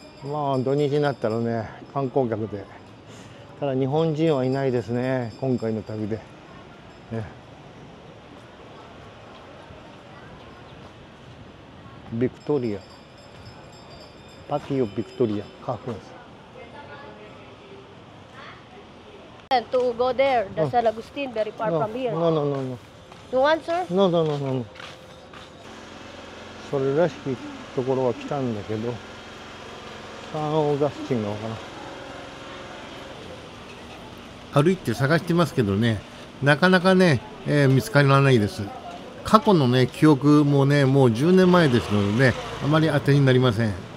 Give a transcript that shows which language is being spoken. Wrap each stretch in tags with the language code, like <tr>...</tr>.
<ja>まあ土日になったらね観光客で、ただ日本人はいないですね今回の旅で、ビクトリアパティオビクトリアカフェです。</ja> <en>To go there, the San Agustin, very far from here. No. You want, sir? No.</en> <ja>それらしきところは来たんだけど、サンオーガスチンがわからん。歩いて探してますけどね、なかなかね、見つからないです。過去のね、記憶もね、もう10年前ですのでね、あまり当てになりません。</ja>